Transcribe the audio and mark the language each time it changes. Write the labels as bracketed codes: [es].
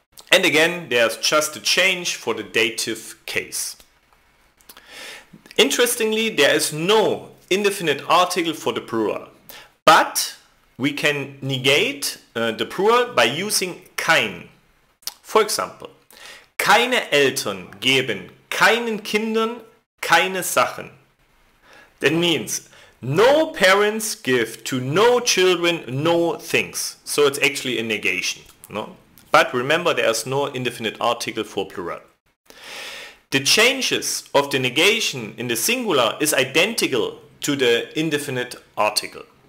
[en] And again, there's just a change for the dative case. Interestingly, there is no indefinite article for the plural, but we can negate the plural by using kein. For example, [de] keine Eltern geben keinen Kindern keine Sachen. [en] That means no parents give to no children no things. So it's actually a negation. No? But remember, there is no indefinite article for plural. The changes of the negation in the singular is identical to the indefinite article.